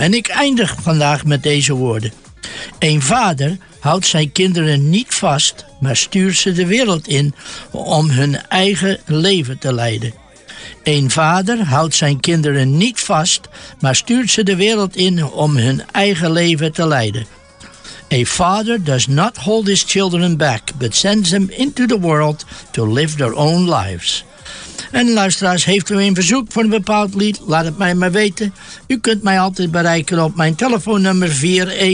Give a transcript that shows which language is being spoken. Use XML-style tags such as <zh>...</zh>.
<nl>En ik eindig vandaag met deze woorden. Een vader houdt zijn kinderen niet vast, maar stuurt ze de wereld in om hun eigen leven te leiden. Een vader houdt zijn kinderen niet vast, maar stuurt ze de wereld in om hun eigen leven te leiden.</nl> <en>A father does not hold his children back, but sends them into the world to live their own lives.</en> <nl>En luisteraars, heeft u een verzoek voor een bepaald lied? Laat het mij maar weten. U kunt mij altijd bereiken op mijn telefoonnummer 416-226-0620.</nl>